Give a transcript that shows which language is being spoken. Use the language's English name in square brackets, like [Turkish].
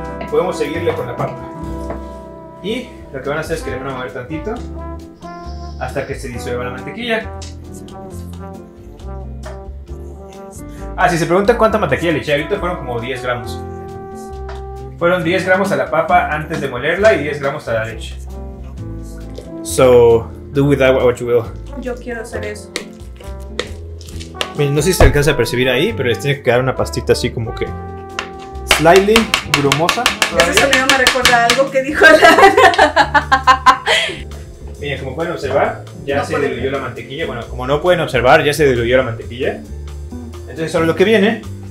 [Spanish] Podemos seguirle con la papa. Y lo que van a hacer es que le van a mover tantito hasta que se disuelva la mantequilla. Ah, si se preguntan cuánta mantequilla le eché ahorita, fueron como 10 gramos. Fueron 10 gramos a la papa antes de molerla y 10 gramos a la leche. [English] So, do with that what you will. [Spanish] Yo quiero hacer eso. No sé si se alcanza a percibir ahí, pero les tiene que quedar una pastita así como que... Slightly grumosa. Ese sonido me recuerda a algo que dijo la... Mira, como pueden observar, ya no se diluyó la mantequilla. Bueno, como no pueden observar, ya se diluyó la mantequilla. Entonces, ahora lo que viene.